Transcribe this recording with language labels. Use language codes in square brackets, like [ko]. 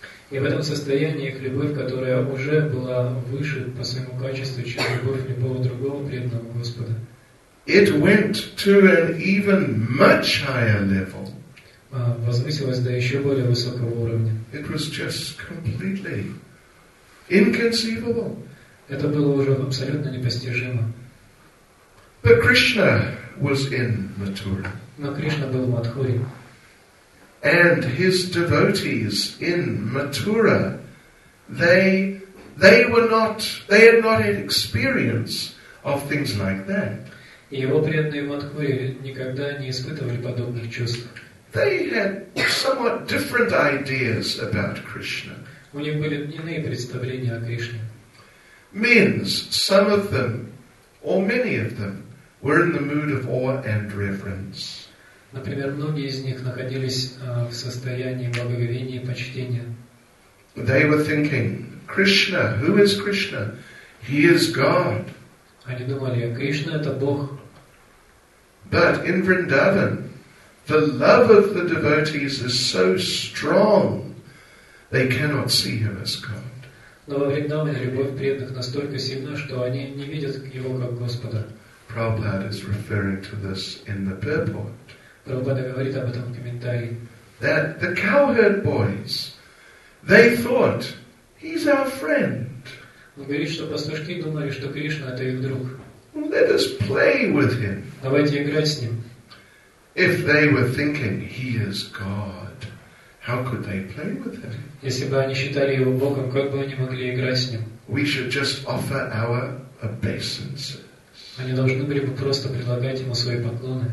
[ru] и в этом состоянии их любовь, которая уже была выше по своему качеству, чем любовь любого другого преданного Господа, [en] it went to an even much higher level. [ru] Возвысилось до еще более высокого уровня. [en] It was just completely inconceivable. [ru] Это было уже абсолютно непостижимо. [en] But Krishna was in Mathura. [ru] Но Кришна был в Матхуре. [en] And his devotees in Mathura, they were not, they had not had experience of things like that. [ru] И его преданные в Матхуре никогда не испытывали подобных чувств. [en] They had somewhat different ideas about Krishna. [ru] У них были иные представления о Кришне. [en] Means some of them, or many of them, were in the mood of awe and reverence. [ru] Например, многие из них находились в состоянии благоговения и почтения. [en] They were thinking, Krishna, who is Krishna? He is God. [ru] Они думали, Кришна это Бог. [en] But in Vrindavan, the love of the devotees is so strong, they cannot see him as God. [ru] Но во Вриндаване любовь преданных настолько сильна, что они не видят его как Господа. [en] Prabhupada is referring to this in the purport. [ru] Прабхупада говорит об этом в комментарии. [en] That the cowherd boys, they thought, he's our friend. [ru] Он говорит, что пастушки думали, что Кришна это их друг. [en] Well, let us play with him. [ru] Давайте играть с ним. [en] If they were thinking he is God, how could they play with him? [ru] Если бы они считали его Богом, как бы они могли играть с ним? [en] We should just offer our obeisances. [ru] Они должны были бы просто предлагать ему свои поклоны.